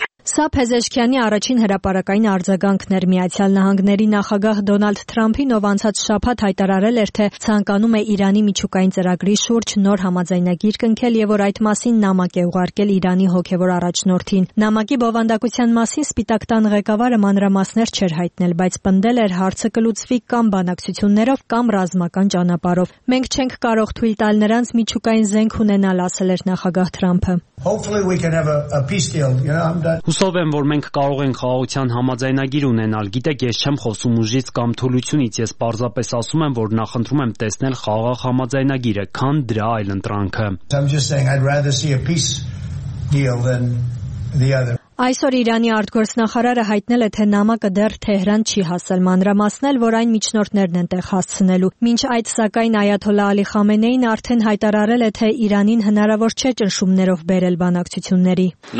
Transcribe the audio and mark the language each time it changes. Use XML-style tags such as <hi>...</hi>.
<hy>Սա Փեզեշկյանի առաջին հրապարակային արձագանքն էր Միացյալ Նահանգների նախագահ Դոնալդ Թրամփին, ով անցած շաբաթ հայտարարել էր, թե ցանկանում է Իրանի միջուկային ծրագրի շուրջ նոր համաձայնագիր կնքել և որ այդ մասին նամակ է ուղարկել Իրանի հոգևոր առաջնորդին։ Նամակի բովանդակության մասին Սպիտակ տան ղեկավարը մանրամասներ չէր հայտնել, բայց պնդել էր, հարցը կլուծվի կամ բանակցություններով, կամ ռազմական ճանապարհով։ «Մենք չենք կարող թույլ տալ նրանց միջուկային զենք ունենալ», ասել էր նախագահ Թրամփը։</hy> <en>Hopefully we can have a peace deal, you know,</en> <hy>Հուսով եմ, որ մենք կարող ենք խաղաղության համաձայնագիր ունենալ։ Գիտեք, ես չեմ խոսում ուժից կամ թուլությունից, ես պարզապես ասում եմ, որ նախընտրում եմ տեսնել խաղաղ համաձայնագիրը, քան դրա այլ ընտրանքը։ Այսօր Իրանի արտգործնախարարը հայտնել է, թե նամակը դեռ Թեհրան չի հասել, մանրամասնել, որ այն միջնորդներն են տեղ հասցնելու։ Մինչ այդ, սակայն, Այաթոլա Ալի Խամենեին արդեն հայտարարել է, թե Իրանին հնարավոր չէ ճնշումներով բերել բանակցությունների։</hy>